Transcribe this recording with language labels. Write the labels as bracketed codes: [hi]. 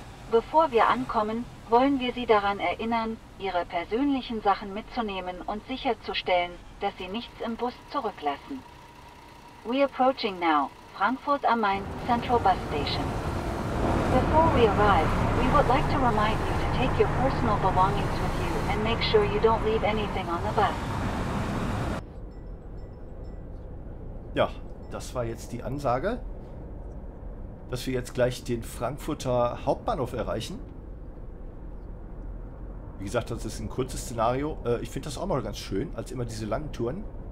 [de] Bevor wir ankommen, wollen wir Sie daran erinnern, Ihre persönlichen Sachen mitzunehmen und sicherzustellen, dass Sie nichts im Bus zurücklassen. [en] We approaching now, Frankfurt am Main Central Bus Station. Before we arrive, we would like to remind you to take your personal belongings with you and make sure you don't leave anything on the bus. [de] Ja, das war jetzt die Ansage, dass wir jetzt gleich den Frankfurter Hauptbahnhof erreichen. Wie gesagt, das ist ein kurzes Szenario. Ich finde das auch mal ganz schön, als immer diese langen Touren.